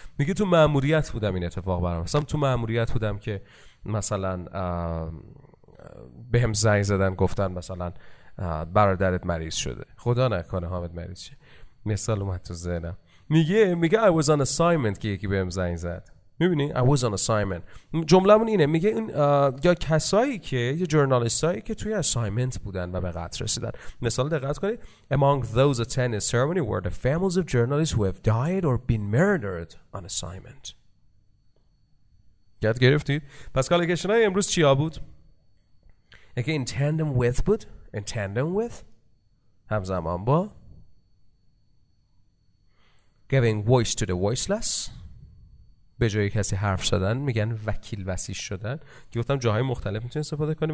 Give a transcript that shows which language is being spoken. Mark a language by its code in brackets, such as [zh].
[fa] میگه تو مأموریت بودم این اتفاق برام. مثلا تو مأموریت بودم که مثلا به هم زنگ زدن گفتن مثلا برادرت مریض شده. خدا نکنه حامد مریض شه. مثال اومد تو ذهنم. میگه [en] I was on assignment [fa] که یکی به هم زنگ زد. میبینی؟ I was on assignment. جمله‌مون اینه. میگه این یا کسایی که یه جورنالیستایی که توی assignment بودن و به قطع رسیدن. مثال دقت کنی. [en] Among those attending ceremony were the families of journalists who have died or been murdered on assignment. [fa] یاد گرفتید؟ پس کالیگشن های امروز چیا بود؟ [en] اگه in tandem with بود. In tandem with. [fa] همزمان با. [en] Giving voice to the voiceless. [fa] به جای کسی حرف زدن میگن وکیل وسیش شدن. گفتم جاهای مختلف میتونی استفاده کنی.